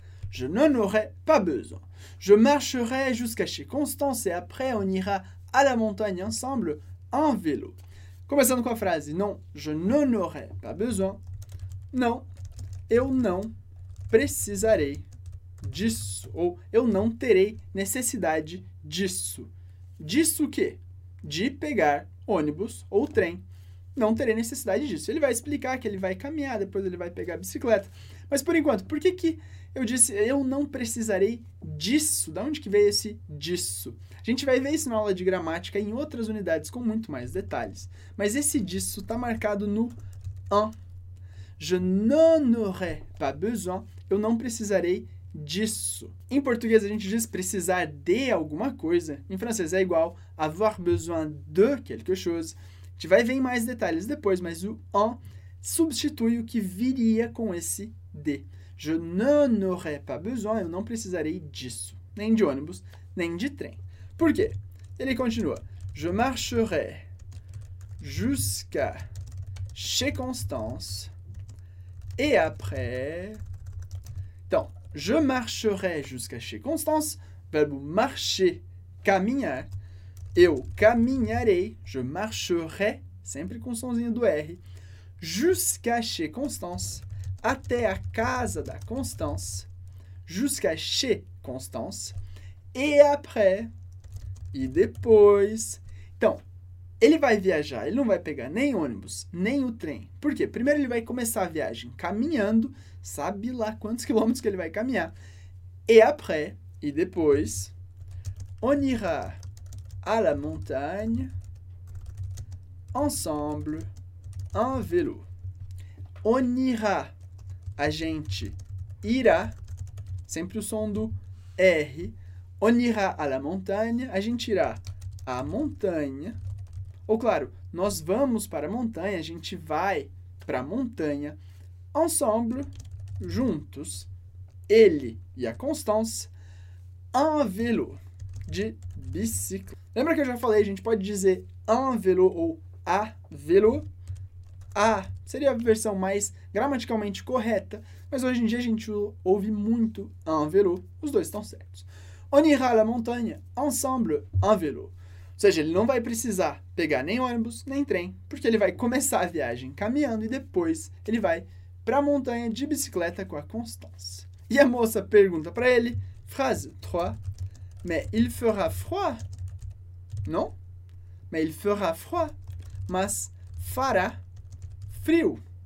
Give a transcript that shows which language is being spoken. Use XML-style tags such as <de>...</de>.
<fr>Je marcherai jusqu'à chez Constance et après on ira à la montagne ensemble en vélo.</fr> <pt>Começando com a frase,</pt> <fr>non, je n'en aurai pas besoin.</fr> <pt>Não, eu não precisarei disso. Ou eu não terei necessidade disso. Disso o quê? De pegar ônibus ou trem. Não terei necessidade disso. Ele vai explicar que ele vai caminhar, depois ele vai pegar a bicicleta. Mas por enquanto, por que que eu disse eu não precisarei disso? Da onde que veio esse disso? A gente vai ver isso na aula de gramática em outras unidades com muito mais detalhes. Mas esse disso está marcado no an.</pt> <fr>Je n'en aurai pas besoin.</fr> <pt>Eu não precisarei disso. Em português a gente diz precisar de alguma coisa. Em francês é igual</pt> <fr>avoir besoin de quelque chose.</fr> <pt>A gente vai ver em mais detalhes depois, mas o en substitui o que viria com esse de.</pt> <fr>Je n'en aurai pas besoin,</fr> <pt>eu não precisarei disso. Nem de ônibus, nem de trem. Por quê? Ele continua.</pt> <fr>Je marcherai jusqu'à chez Constance et après...</fr> <pt>Então,</pt> <fr>je marcherai jusqu'à chez Constance,</fr> <pt>verbo marcher, caminhar. Eu caminharei,</pt> <fr>je marcherai,</fr> <pt>sempre com o sonzinho do R,</pt> <fr>jusqu'à chez Constance,</fr> <pt>até a casa da Constance, jusqu'à chez Constance,</pt> <fr>et après,</fr> <pt>e depois. Então, ele vai viajar, ele não vai pegar nem ônibus, nem o trem. Por quê? Primeiro ele vai começar a viagem caminhando, sabe lá quantos quilômetros que ele vai caminhar.</pt> <fr>Et après,</fr> <pt>e depois,</pt> <fr>on ira à la montagne, ensemble, en vélo.</fr> <pt>On ira, a gente irá, sempre o som do R.</pt> <fr>On ira à la montagne,</fr> <pt>a gente irá à montagne. Ou claro, nós vamos para a montanha, a gente vai para a montanha. Ensemble, juntos, ele e a Constance, en vélo, de bicicleta. Lembra que eu já falei, a gente pode dizer en vélo ou a vélo. A seria a versão mais gramaticalmente correta, mas hoje em dia a gente ouve muito en vélo, os dois estão certos.</pt> <fr>On ira à la montagne ensemble en vélo.</fr> <pt>Ou seja, ele não vai precisar pegar nem ônibus, nem trem, porque ele vai começar a viagem caminhando e depois ele vai para a montanha de bicicleta com a Constance. E a moça pergunta para ele, frase 3,</pt> <fr>mais il fera froid? Non, mais il fera froid,</fr> <pt>mas fará frio.</pt>